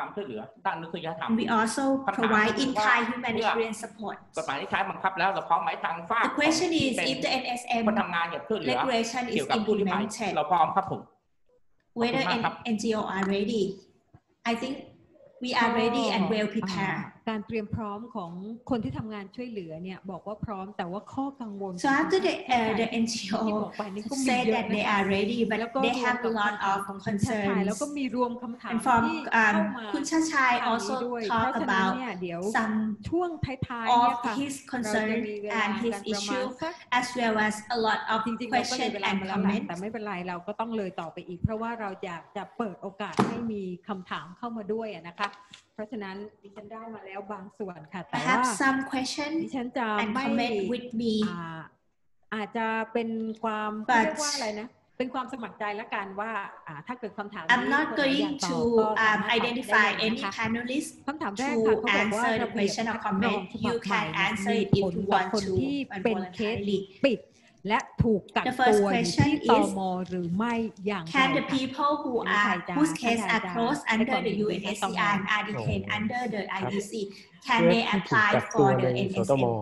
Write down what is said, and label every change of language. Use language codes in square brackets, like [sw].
[en] We also provide in-kind humanitarian support. The question is if the NSM regulation is implemented, whether NGO are ready. I think we are ready and well prepared. [th] การเตรียมพร้อมของคนที่ทำงานช่วยเหลือเนี่ยบอกว่าพร้อมแต่ว่าข้อกังวล [en] So after the NGO say that they are ready but they have a lot of concerns [th] แล้วก็มีรวมคำถาม ที่เข้ามา [en] คุณชาชัย also talk about some [th] ช่วงท้าย [en] ๆ of his concern and his issue as well as a lot of questions and comments [th] แต่ไม่เป็นไรเราก็ต้องเลยต่อไปอีกเพราะว่าเราอยากจะเปิดโอกาสให้มีคำถามเข้ามาด้วยนะคะเพราะฉะนั้นดิฉันได้มาแล้วบางส่วนค่ะแต่ว่า [en] have some question [th] ดิฉันจะ [en] and comment with me [th] อาจจะเป็นความเรียกว่าอะไรนะเป็นความสมัครใจละกันว่าถ้าเกิดคำถาม [en] I'm not going to identify any panelists [th] คำถามแรก [en] ค่ะ to answer the question or comment you can answer it if you want to [th] เป็นเคสปิดและถูกกักตัวที่ตม. หรือไม่อย่างไร [en] Can the people who are whose case are closed under the UNHCR are detained under the IDC can they apply for the NSM